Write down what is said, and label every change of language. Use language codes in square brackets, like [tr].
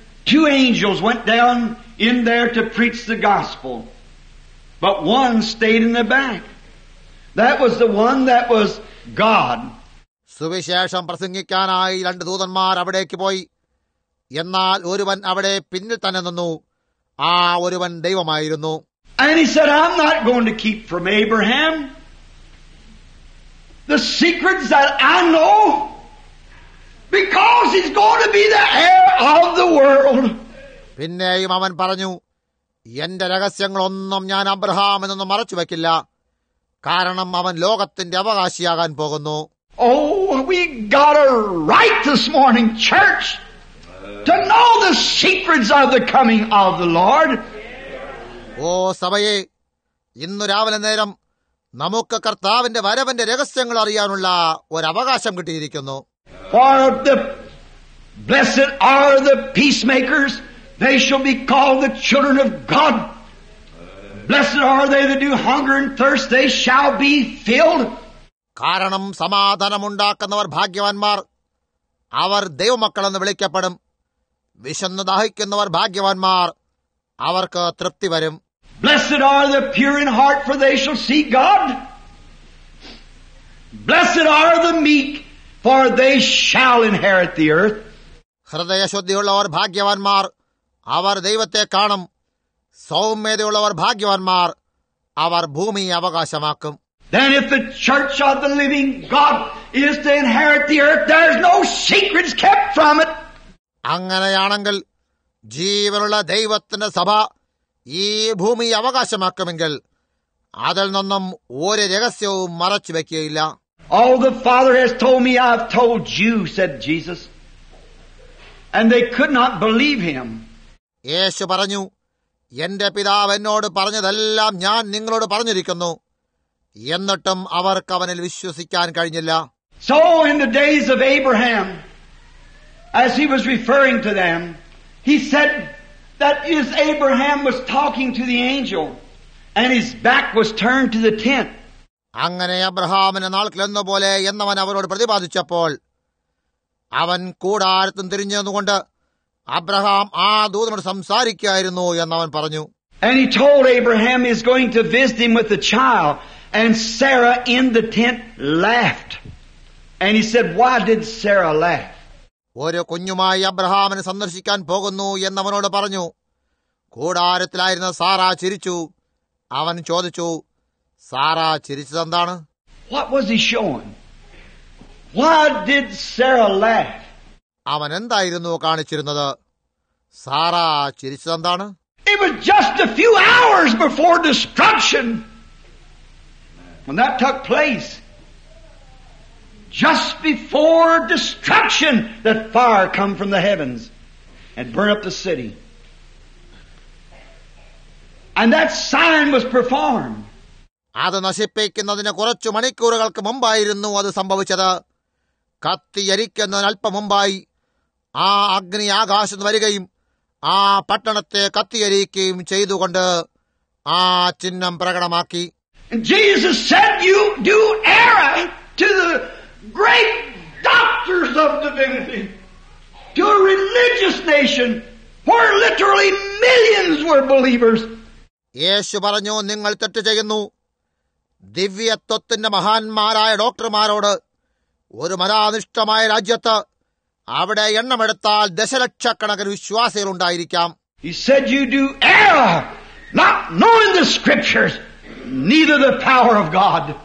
[en] Two angels went down in there to preach the gospel, but one stayed in the back. That was the one that was God. [ml] സുവിശേഷം പ്രസംഗിക്കാനായി രണ്ട് ദൂതന്മാർ അവിടേക്ക് പോയി. എന്നാൽ ഒരുവൻ അവിടെ പിന്നിൽ തന്നെ നിന്നു. ആ ഒരുവൻ ദൈവമായിരുന്നു. [en] And he said, I'm not going to keep from Abraham the secrets that I know. Because he's going to be the heir of the world. [ml] പിന്നെയും അവൻ പറഞ്ഞു, എന്റെ രഹസ്യങ്ങളൊന്നും ഞാൻ അബ്രഹാം എന്നൊന്നും മറച്ചു വെക്കില്ല. കാരണം അവൻ ലോകത്തിന്റെ അവകാശിയാകാൻ പോകുന്നു. [en] Oh, we got a right this morning, church, to know the secrets of the coming of the Lord. [ml] ഓ സഭയെ, ഇന്ന് രാവിലെ നേരം നമുക്ക് കർത്താവിന്റെ വരവിന്റെ രഹസ്യങ്ങൾ അറിയാനുള്ള ഒരു അവകാശം കിട്ടിയിരിക്കുന്നു. [en] For the blessed are the peacemakers, they shall be called the children of God. Blessed are they that do hunger and thirst, they shall be filled. [ml] കാരണം സമാധാനം ഉണ്ടാക്കുന്നവർ ഭാഗ്യവാന്മാർ, അവർ ദൈവമക്കൾ എന്ന് വിളിക്കപ്പെടും. വിശന്നു ദാഹിക്കുന്നവർ ഭാഗ്യവാന്മാർ, അവർക്ക് തൃപ്തി വരും. [en] Blessed are the pure in heart, for they shall see God. Blessed are the meek, for they shall inherit the earth. [ml] ഹൃദയശുദ്ധിയുള്ളവർ ഭാഗ്യവാന്മാർ, അവർ ദൈവത്തെ കാണും. സൗമ്യതയുള്ളവർ ഭാഗ്യവാന്മാർ. അവർ ഭൂമി അവകാശമാക്കും. [en] Then if the church of the living God is to inherit the earth, there's no secrets kept from it. [ml] അങ്ങനെയാണെങ്കിൽ ജീവനുള്ള ദൈവത്തിന്റെ സഭ ഈ ഭൂമി അവകാശമാക്കുമെങ്കിൽ അതിൽ നിന്നും ഒരു രഹസ്യവും മറച്ചു വെക്കുകയില്ല. [en] All the Father has told me, I've told you, said Jesus. And they could not believe him. [ml] യേശു പറഞ്ഞു, എന്റെ പിതാവ് എന്നോട് പറഞ്ഞതെല്ലാം ഞാൻ നിങ്ങളോട് പറഞ്ഞിരിക്കുന്നു. എന്നിട്ടും അവർക്ക് അവനിൽ വിശ്വസിക്കാൻ കഴിഞ്ഞില്ല. [en] So in the days of Abraham, as he was referring to them, he said that as Abraham was talking to the angel and his back was turned to the tent. [ml] അങ്ങനെ അബ്രഹാമിന്റെ നാൾക്കിൽ എന്ന പോലെ എന്നവൻ അവരോട് പ്രതിപാദിച്ചപ്പോൾ അവൻ കൂടാരത്തും തിരിഞ്ഞുകൊണ്ട് അബ്രഹാം ആ ദൂതനോട് സംസാരിക്കുകയായിരുന്നു എന്നവൻ പറഞ്ഞു. [en] And he told Abraham he's going to visit him with a child. And Sarah in the tent laughed. And he said, why did Sarah laugh? [ml] ഒരു കുഞ്ഞുമായി അബ്രഹാമിനെ സന്ദർശിക്കാൻ പോകുന്നു എന്നവനോട് പറഞ്ഞു. കൂടാരത്തിലായിരുന്ന സാറ ചിരിച്ചു. അവൻ ചോദിച്ചു, Sara ചിരിച്ചതെന്താണ്? [en] What was he showing? Why did Sarah laugh? [ml] അവൻ എന്തായിരുന്നു കാണിച്ചിരുന്നത്? Sara ചിരിച്ചതെന്താണ്? [en] It was just a few hours before destruction when that took place. Just before destruction, that fire come from the heavens and burn up the city. And that sign was performed. [ml] അത് നശിപ്പിക്കുന്നതിന് കുറച്ചു മണിക്കൂറുകൾക്ക് മുമ്പായിരുന്നു അത് സംഭവിച്ചത്. കത്തിയരിക്കുന്നതിന് അല്പം മുമ്പായി ആ അഗ്നി ആകാശത്ത് വരികയും ആ പട്ടണത്തെ കത്തിയരിക്കുകയും ചെയ്തുകൊണ്ട് ആ ചിഹ്നം പ്രകടമാക്കി. [en] Jesus said, you do error to the great doctors of divinity, to a religious nation where literally millions were believers. [ml] യേശു പറഞ്ഞു, നിങ്ങൾ തെറ്റ് ചെയ്യുന്നു ദിവ്യത്വത്തിന്റെ മഹാന്മാരായ ഡോക്ടർമാരോട്. ഒരു മതാനിഷ്ഠമായ രാജ്യത്ത് അവിടെ എണ്ണമെടുത്താൽ ദശലക്ഷക്കണക്കിന് വിശ്വാസികൾ ഉണ്ടായിരിക്കാം. [en] He said you do error, not knowing the scriptures, neither the power of God.